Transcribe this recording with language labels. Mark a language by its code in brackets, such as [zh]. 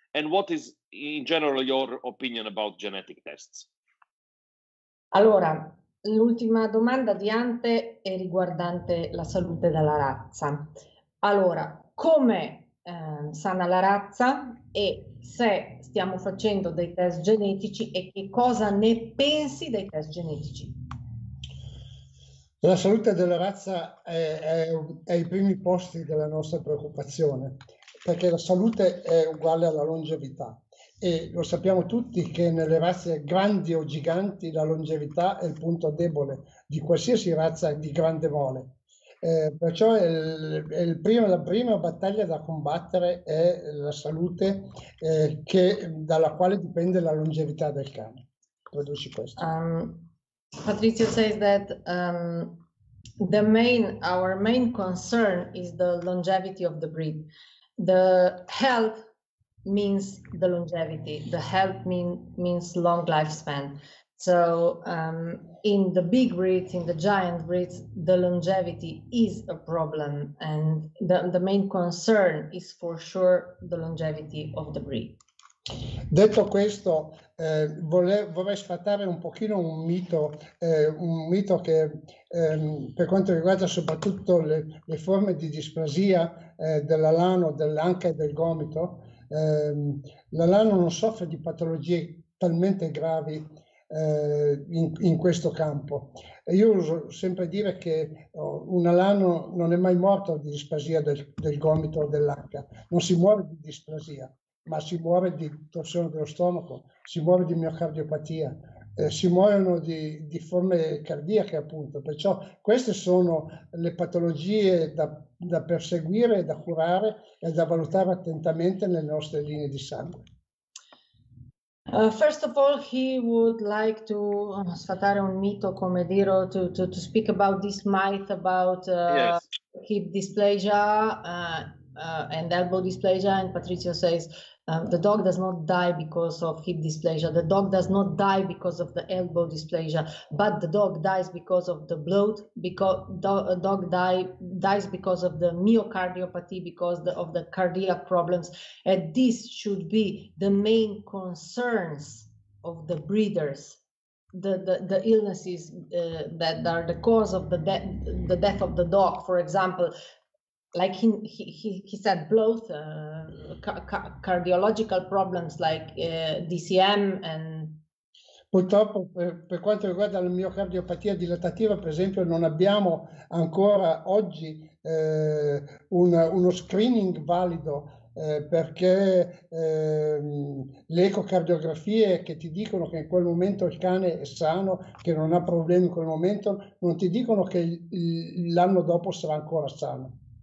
[en] And what is, in general, your opinion about genetic tests? [it] Allora, l'ultima domanda di Ante è riguardante la salute della razza. Allora, come sana la razza e se stiamo facendo dei test genetici e che cosa ne pensi dei test genetici? La salute della razza è ai primi posti della nostra preoccupazione, perché la salute è uguale alla longevità e lo sappiamo tutti che nelle razze grandi o giganti la longevità è il punto debole di qualsiasi razza di grande mole. Perciò la prima battaglia da combattere è la salute dalla quale dipende la longevità del cane. Produci questo. [en] Patrizio says that our main concern is the longevity of the breed. The health means the longevity. The health means long lifespan. So in the big breeds, in the giant breeds, the longevity is a problem. And the main concern is for sure the longevity of the breed. [it] Detto questo, vorrei sfatare un pochino un mito che per quanto riguarda soprattutto le forme di displasia dell'alano, dell'anca e del gomito, l'alano non soffre di patologie talmente gravi in questo campo. Io uso sempre dire che un alano non è mai morto di displasia del gomito o dell'anca, non si muore di displasia. Ma si muore di torsione dello stomaco, si muore di miocardiopatia, si muoiono di forme cardiache appunto. Perciò queste sono le patologie da perseguire, da curare e da valutare attentamente nelle nostre linee di sangue. [en] First of all, he would like to [it] sfatare un mito, come dire, [en] to speak about this myth about yes. Hip dysplasia and elbow dysplasia, and Patrizio says the dog does not die because of hip dysplasia, the dog does not die because of the elbow dysplasia, but the dog dies because of the bloat, because dog dies because of the myocardiopathy, because of the cardiac problems, and this should be the main concerns of the breeders, the illnesses that are the cause of the death of the dog, for example. Like he said, bloat, cardiological problems like DCM and [it] Purtroppo per quanto riguarda la miocardiopatia dilatativa, per esempio, non abbiamo ancora oggi uno screening valido, perché le ecocardiografie che ti dicono che in quel momento il cane è sano, che non ha problemi in quel momento, non ti dicono che l'anno dopo sarà ancora sano.